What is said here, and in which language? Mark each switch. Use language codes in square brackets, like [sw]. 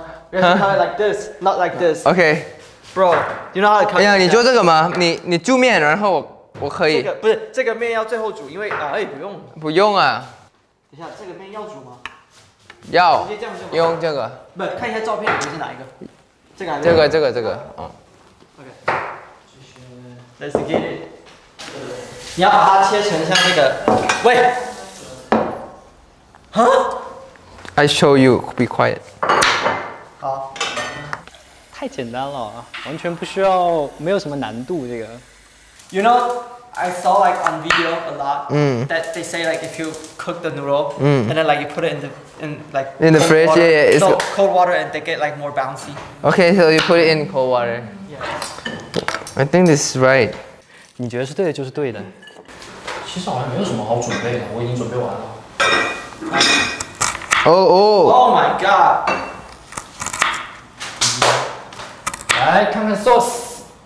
[en] We have to cut it like this, not like this. Okay. Bro, do you know how to cut it? Yeah, you do this, right? You [zh] 煮面, 然后我可以。这个不是这个面要最后煮，因为啊，哎，不用。不用啊。等一下，这个面要煮吗？要。直接这样就好了。用这个。不，看一下照片，你是哪一个？这个。这个这个这个，嗯。 [en] OK。 Let's get it。 [zh] 你要把它切成像那个，喂。 [en] 哈 ？I show you. Be quiet. [zh] 好。太简单了，完全不需要，没有什么难度。这个 [en] ，You know, I saw like on video a lot、that they say like if you cook the noodle、and then like you put it in the fridge, water, yeah, it's cold water and they get like more bouncy. Okay, so you put it in cold water. Yeah, I think this is right. [zh] 你觉得是对的就是对的。其实好像没有什么好准备的，我已经准备完了。哦、oh, 哦、 [en] oh. ！Oh my god！ [zh] 来看看 sauce，